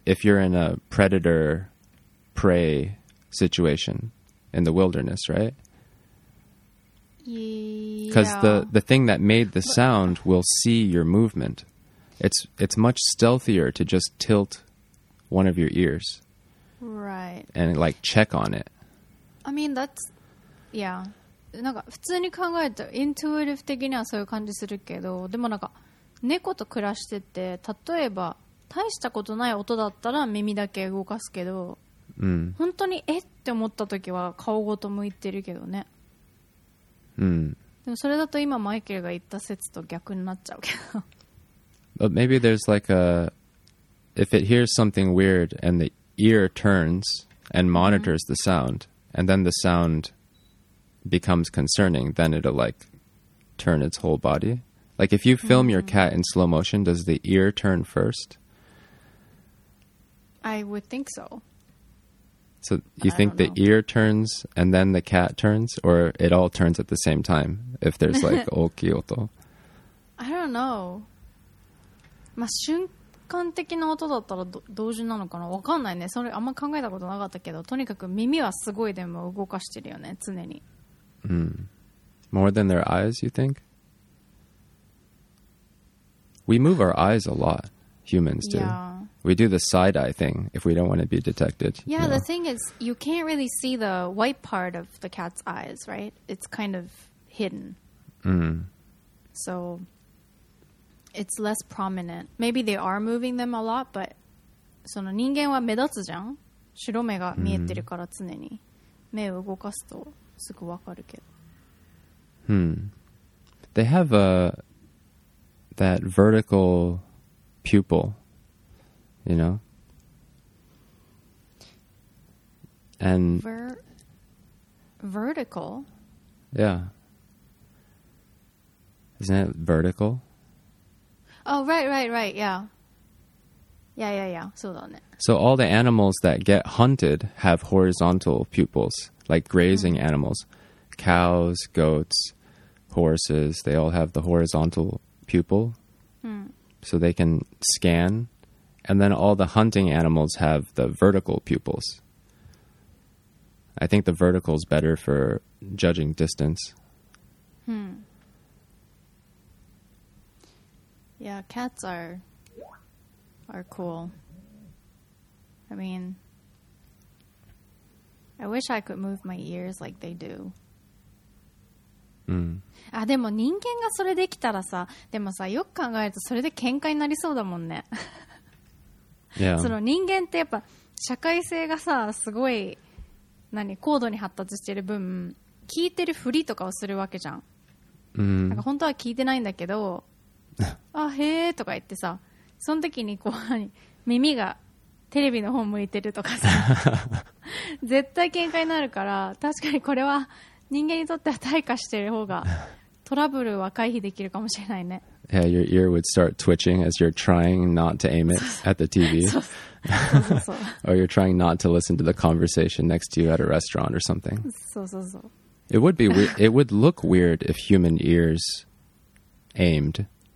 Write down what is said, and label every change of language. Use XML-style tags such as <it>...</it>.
<en>If you're in a predator prey situation in the wilderness, right? Yeah. Because the thing that made the sound will see your movement. It's much stealthier to just tilt one of your ears. Right. And like check on it. I mean, that's, yeah.</en> <ja>なんか普通に考えると intuitive 的にはそういう感じするけど、でもなんか猫と暮らしてて、例えば大したことない音だったら耳だけ動かすけど、本当にえって思った時は顔ごと向いてるけどね。でもそれだと今マイケルが言った説と逆になっちゃうけど。</ja> <en>But maybe there's like a, if it hears something weird and theear turns and monitors the sound, and then the sound becomes concerning, then it'll like turn its whole body. Like if you film your cat in slow motion, does the ear turn first? I would think so. So you think the ear turns and then the cat turns, or it all turns at the same time if there's like o kyoto? I don't know.</en> <ja>まあ瞬間瞬間的な音だったら同時なのかな、わかんないね。それあんま考えたことなかったけど、とにかく耳はすごいでも動かしてるよね、常に。</ja> <en>More than their eyes, you think? We move our eyes a lot, humans do. We do the side eye thing if we don't want to be detected. Yeah, the thing is, you can't really see the white part of the cat's eyes, right? It's kind of hidden. So... It's less prominent. Maybe they are moving them a lot, but</en> <ja>その人間は目立つじゃん。白目が見えてるから常に目を動かすとすぐわかるけど。</ja> <en>They have a that vertical pupil, you know. And vertical. Yeah. Isn't it vertical? Oh, right, yeah. Yeah,</en> <ja>そうだね。</ja> <en>So all the animals that get hunted have horizontal pupils, like grazing animals. Cows, goats, horses, they all have the horizontal pupil. So they can scan. And then all the hunting animals have the vertical pupils. I think the vertical is better for judging distance. Yeah, cats are cool. I mean, I wish I could move my ears like they do.</en> <ja>あ、でも人間がそれできたらさ、でもさ、よく考えるとそれで喧嘩になりそうだもんね。その人間ってやっぱ社会性がさ、すごい、何、高度に発達してる分、聞いてるふりとかをするわけじゃん。 Mm-hmm. なんか本当は聞いてないんだけど、あ、へーとか言ってさ、その時にこう耳がテレビの方向いてるとかさ、絶対喧嘩になるから、確かにこれは人間にとっては退化してる方がトラブルは回避できるかもしれないね。</ja> <en>Yeah, your ear would start twitching as you're trying not to aim it at the TV. or you're trying not to listen to the conversation next to you at a restaurant or something. It would be it would look weird if human ears aimed.</en>